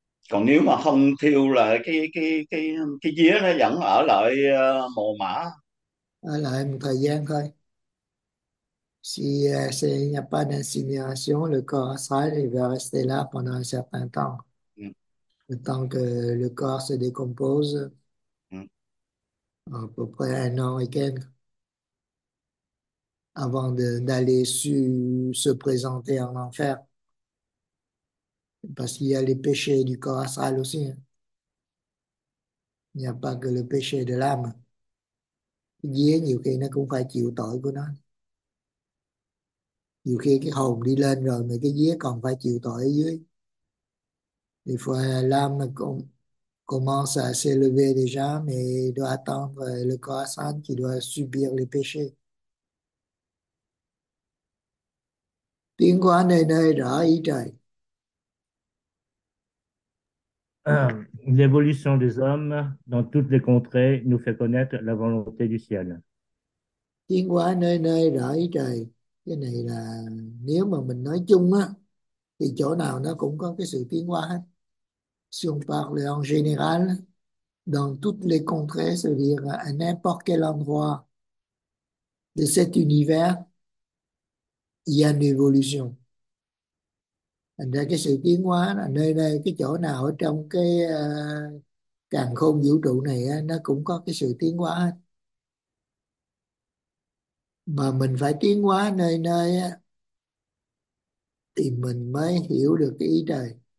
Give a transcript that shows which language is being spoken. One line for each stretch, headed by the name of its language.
Vietnamese: Còn nếu mà không thiêu là cái vía nó vẫn ở lại mồ mả. Ở lại một thời gian thôi.
French: S'il n'y a pas d'incinération, le corps astral il va rester là pendant un certain temps. Le temps que le corps se décompose, à peu près un an et quelques, avant d'aller se présenter en enfer. Parce qu'il y a les péchés du corps astral aussi. Hein. Il n'y a pas que le péché de l'âme.
Vietnamese: Dieu, nhiều khi, nó cũng phải chịu tội của nó. Nhiều khi cái hồn đi lên rồi mà cái vía còn phải chịu tội ở dưới.
French: Il faut l'âme cũng commence à s'élever déjà, mais il doit attendre le corps astral qui doit subir les péchés.
Vietnamese: Tiến hóa nơi nơi rõ ý trời.
French: L'évolution des hommes dans toutes les contrées nous fait connaître la volonté du ciel.
Vietnamese: Tiến hóa nơi nơi rõ ý trời. Cái này là nếu mà mình nói chung á thì chỗ nào nó cũng có cái sự tiến hóa hết.
French: Si on parle en général, dans toutes les contrées, c'est-à-dire à n'importe quel endroit de cet univers, il y a une évolution.
Vietnamese: Thành ra cái sự tiến hóa là nơi nơi cái chỗ nào ở trong cái càn khôn vũ trụ này á, nó cũng có cái sự tiến hóa hết. Mà mình phải tiến hóa nơi nơi á thì mình mới hiểu được cái ý trời.